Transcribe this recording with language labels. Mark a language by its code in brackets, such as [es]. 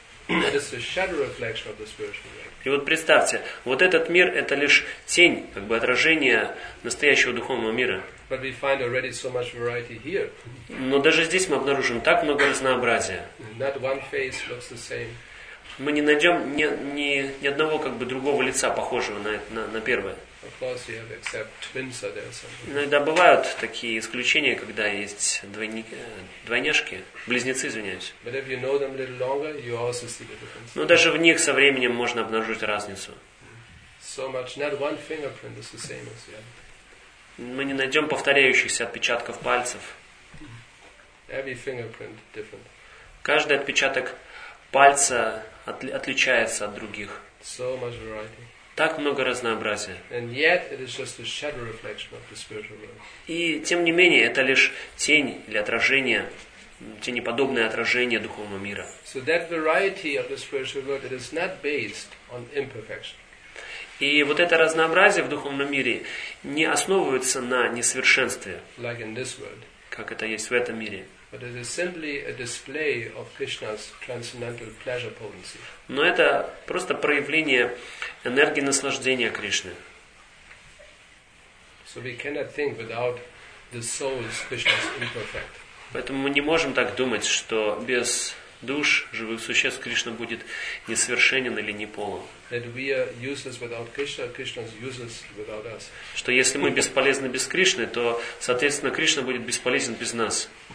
[en] It's a shadow reflection of the spiritual world. [ru] И вот представьте, вот этот мир – это лишь тень, как бы отражение настоящего духовного мира. [en] But we find already so much variety here. [ru] Но даже здесь мы обнаружим так много разнообразия. [en] Not one face looks the same. [ru] Мы не найдем ни одного как бы другого лица, похожего на первое. [en] Of course, you have except twins are there somewhere. [ru] Иногда бывают такие исключения, когда есть двойняшки, близнецы, извиняюсь. [en] But if you know them a little longer, you also see the difference. [ru] Но даже в них со временем можно обнаружить разницу. [en] So much, not one fingerprint is the same as the other. [ru] Мы не найдем повторяющихся отпечатков пальцев. [en] Every fingerprint different. [ru] Каждый отпечаток пальца отличается от других. [en] So much variety. [ru] Так много разнообразия. [en] And yet it is just a shadow reflection of the spiritual world. [ru] И тем не менее, это лишь тень или отражение, тенеподобное отражение духовного мира. [en] So that variety of the spiritual world, it is not based on imperfection. [ru] И вот это разнообразие в духовном мире не основывается на несовершенстве, [en] like in this world. [ru] Как это есть в этом мире. [en] But it is simply a display of Krishna's transcendental pleasure potency. [ru] Но это просто проявление энергии наслаждения Кришны. [en] So we cannot think without the soul is Krishna's imperfect. [ru] Поэтому мы не можем так думать, что без душ живых существ Кришна будет несовершенен или неполон. [en] That we are useless without Krishna, Krishna is useless without us. [ru] Что если мы бесполезны без Кришны, то, соответственно, Кришна будет бесполезен без нас.